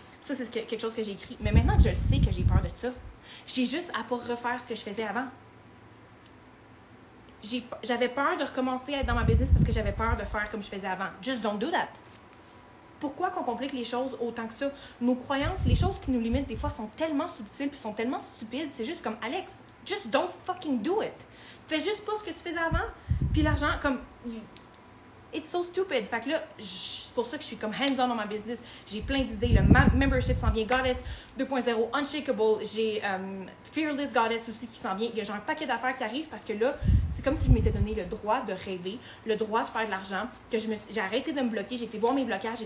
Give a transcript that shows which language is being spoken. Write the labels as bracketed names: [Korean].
[French] Ça, c'est quelque chose que j'ai écrit. Mais maintenant que je le sais que j'ai peur de ça, j'ai juste à pas refaire ce que je faisais avant. J'avais peur de recommencer à être dans ma business parce que j'avais peur de faire comme je faisais avant. [English] Just don't do that. [French] Pourquoi qu'on complique les choses autant que ça? Nos croyances, les choses qui nous limitent des fois sont tellement subtiles et sont tellement stupides. C'est juste comme, [English] Alex, just don't fucking do it. [French] Fais juste pas ce que tu faisais avant. Puis l'argent, comme, [English] it's so stupid. [French] Fait que là, c'est pour ça que je suis comme hands-on dans ma business. J'ai plein d'idées. Le membership s'en vient. Goddess 2.0, Unshakable. J'ai Fearless Goddess aussi qui s'en vient. Il y a genre un paquet d'affaires qui arrivent parce que là, c'est comme si je m'étais donné le droit de rêver, le droit de faire de l'argent, que j'ai arrêté de me bloquer. J'ai été voir mes blocages.